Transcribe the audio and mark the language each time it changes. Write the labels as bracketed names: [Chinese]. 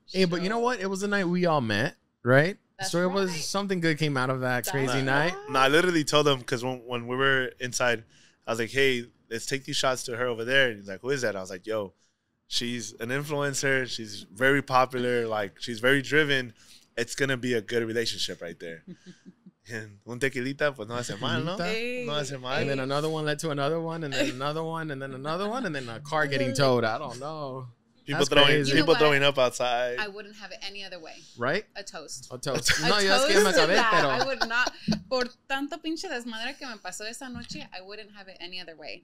[English] Hey, but you know what? It was the night we all met, right? That's so it was something good came out of that crazy night. No, I literally told him because when we were inside, I was like, hey, let's take these shots to her over there. And he's like, who is that? I was like, yo, she's an influencer. She's very popular. Like, she's very driven. It's going to be a good relationship right there. [Spanish] And un tequilita, pues no hace mal, ¿no? [English] Hey, [Spanish] no hace mal. Hey. [English] And then another one led to another one, and then another one, and then another one, and then a car getting towed. I don't know. People throwing up outside. I wouldn't have it any other way. Right? A toast. [Spanish] No, yo es que me acabé, pero. [English] I would not. [Spanish] Por tanto pinche desmadre que me pasó esa noche, [English] I wouldn't have it any other way.